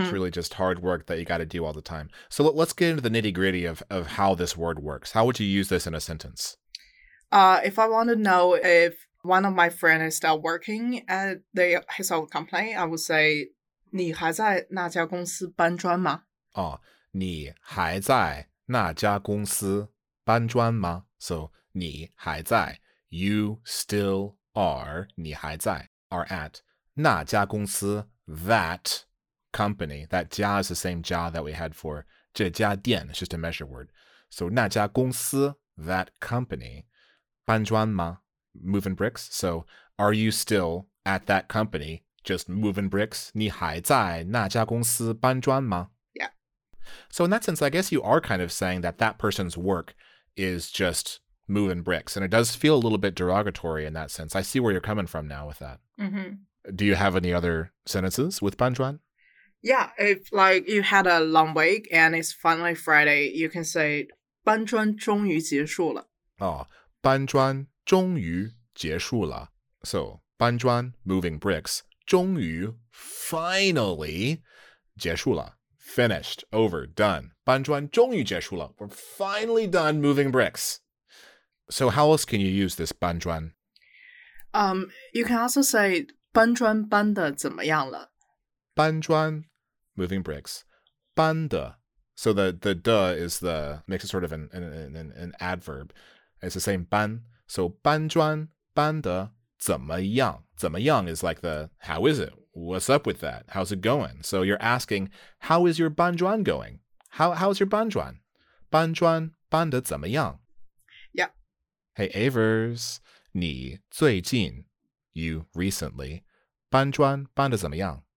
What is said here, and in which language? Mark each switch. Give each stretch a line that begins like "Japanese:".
English: It's really just hard work that you got to do all the time. So let's get into the nitty gritty of how this word works. How would you use this in a sentence? If I want to know if one of my friends is still working at his old company, I would say,
Chinese: 你还在那家公司搬砖吗? Oh, 你还在那家公司搬砖吗?
English: So,
Chinese: 你还在,
English: you still are, 你还在, are at
Chinese: 那家公司,
English: that company. That 家 is the same 家 that we had for
Chinese: 这家店,
English: it's just a measure word. So,
Chinese: 那家公司,
English: that company,
Chinese: 搬砖吗?
English: Moving bricks. So, are you still at that company just moving bricks?
Chinese: 你还在那家公司搬砖吗?
English: Yeah. So, in that sense, I guess you are kind of saying that that person's work is just moving bricks. And it does feel a little bit derogatory in that sense. I see where you're coming from now with that. Mm-hmm. Do you have any other sentences with 搬砖? Yeah. If like you had a long week and it's finally Friday, you can say
Chinese: 搬砖终于结束了. Oh, 搬砖. 终于结束了. So, 搬砖,
English: moving bricks.
Chinese: 终于, finally, 结束了.
English: Finished, over, done.
Chinese: 搬砖终于结束了.
English: We're finally done moving bricks. So, how else can you use this 搬砖? You can also say
Chinese: 搬砖搬得怎么样了.
English: 搬砖, moving bricks.
Chinese: 搬得.
English: So, the 的 is the, makes it sort of an adverb. It's the same 搬.So,
Chinese: 搬砖搬得怎么样?
English: 怎么样 is like the, how is it? What's up with that? How's it going? So, you're asking, how is your 搬砖 going? How's your 搬砖?
Chinese: 搬砖搬得怎么样?
English: Yeah. Hey, Avers,
Chinese: 你最近,
English: you recently,
Chinese: 搬砖搬得怎么样?